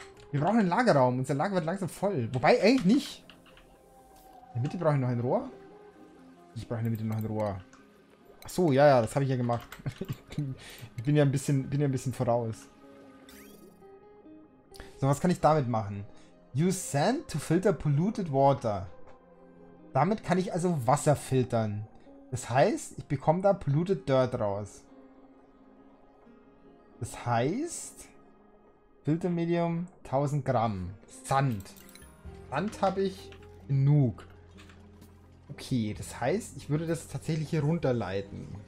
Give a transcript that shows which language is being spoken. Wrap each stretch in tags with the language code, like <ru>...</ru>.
<de>Wir brauchen einen Lagerraum. Unser Lager wird langsam voll. Wobei, eigentlich nicht. In der Mitte brauche ich noch ein Rohr. Ich brauche in der Mitte noch ein Rohr. Ach so, ja, das habe ich ja gemacht. Ich bin ja ein bisschen voraus. So, was kann ich damit machen?</de> <en>Use sand to filter polluted water.</en> <de>Damit kann ich also Wasser filtern. Das heißt, ich bekomme da polluted dirt raus. Das heißt, Filtermedium 1000 Gramm. Sand. Sand habe ich genug. Okay, das heißt, ich würde das tatsächlich hier runterleiten.</de>